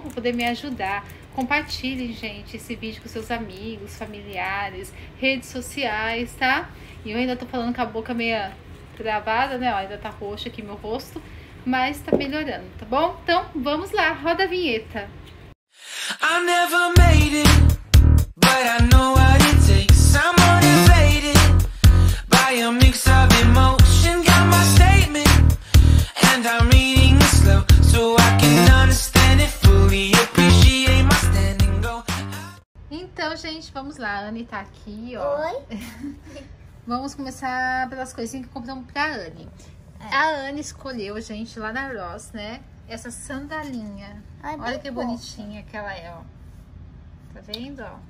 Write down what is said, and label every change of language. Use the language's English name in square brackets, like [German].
[Portuguese] Pra poder me ajudar. Compartilhe, gente, esse vídeo com seus amigos, familiares, redes sociais, tá? E eu ainda tô falando com a boca meio travada, né? Ó, ainda tá roxo aqui meu rosto, mas tá melhorando, tá bom? Então, vamos lá, roda a vinheta. [English] I never made it, but I know what it takes. I'm motivated by a mix of emotion. Got my statement. And I'm reading it slow, so I can understand it fully. Appreciate my standing go. [Portuguese] Então, gente, vamos lá. A Anne tá aqui, ó. Oi. Vamos começar pelas coisinhas que compramos pra Anne. A Anne escolheu, gente, lá na Ross, né? Essa sandalinha. Olha que bonitinha que ela é, ó. Tá vendo, ó?